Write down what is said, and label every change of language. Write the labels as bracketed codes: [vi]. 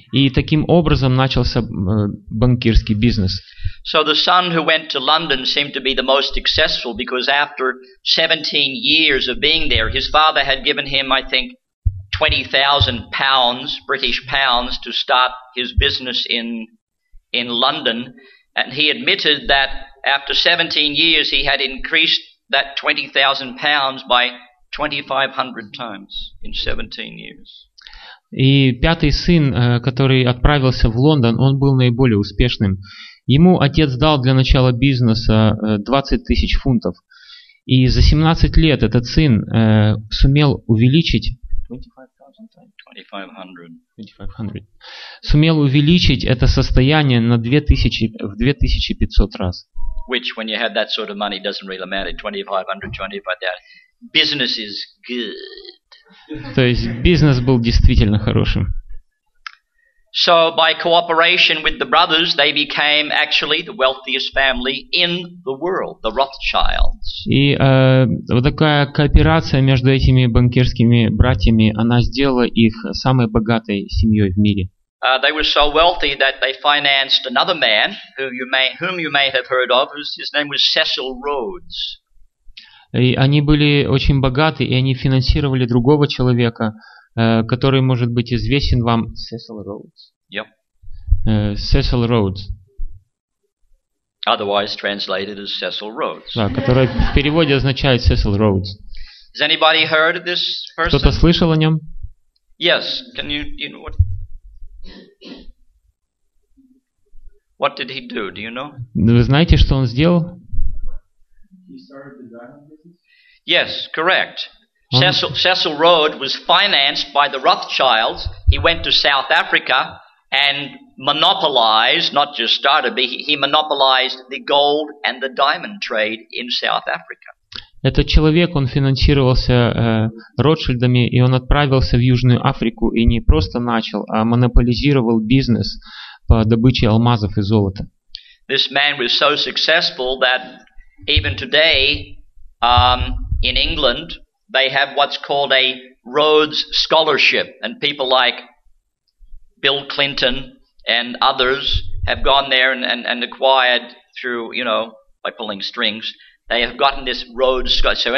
[ru] И таким образом начался банкирский бизнес. [en] So the son who went to London seemed to be the most successful, because after 17 years of being there, his father had given him, I think, 20,000 pounds, British pounds, to start his business in London. And he admitted that after 17 years, he had increased that 20,000 pounds by 2,500 times in 17 years. [ru] И пятый сын, который отправился в Лондон, он был наиболее успешным. Ему отец дал для начала бизнеса 20 тысяч фунтов. И за 17 лет этот сын сумел увеличить... 2500. Сумел увеличить это состояние на 2000 в 2500 раз. [en] Which, when you have that sort of money, doesn't really matter. 2500, 25,000. Business is good. [ru] То есть бизнес был действительно хорошим. [en] So by cooperation with the brothers, they became actually the wealthiest family in the world, the Rothschilds. [ru] И вот такая кооперация между этими банкирскими братьями, она сделала их самой богатой семьей в мире. [en] They were so wealthy that they financed another man whom you may have heard of, his name was Cecil Rhodes. [ru] И они были очень богаты, и они финансировали другого человека, который может быть известен вам. [en] Cecil Rhodes. Cecil Rhodes. Otherwise translated as Cecil Rhodes. [ru] Да, который в переводе означает Cecil Rhodes. [en] Has anybody heard of this person? [ru] Кто-то слышал о нем? [en] Yes. Can you know what? What did he do? Do you know? [ru] Вы знаете, что он сделал? [en] He started the diamond business. Yes, correct. Cecil Rhodes was financed by the Rothschilds. He went to South Africa and monopolized the gold and the diamond trade in South Africa. [ru] Этот человек, он финансировался Ротшильдами, и он отправился в Южную Африку и не просто начал, а монополизировал бизнес по добыче алмазов и золота. [en] This man was so successful that even today in England they have what's called a Rhodes Scholarship, and people like Bill Clinton and others have gone there and acquired through, you know, by pulling strings, they have gotten this Rhodes Scholarship.